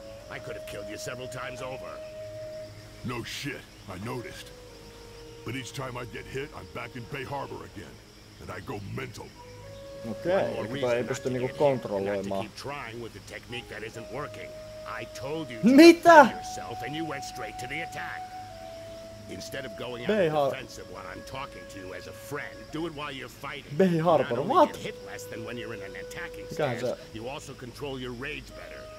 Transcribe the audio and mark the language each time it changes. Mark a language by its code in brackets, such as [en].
[en] I could have killed you several times over. No shit, I noticed. But each time I get hit, I'm back in Bay Harbor again. And I go mental. [fi] Okay, mutta ei pysty niinku kontrolloimaan. [en] Keep trying with the technique that isn't working. I told you to yourself and you went straight to the attack. Instead of going out on the offensive when I'm talking to you as a friend, do it while you're fighting. Bay Harbor, what? Hit less than when you're in an attacking stance. You also control your rage better.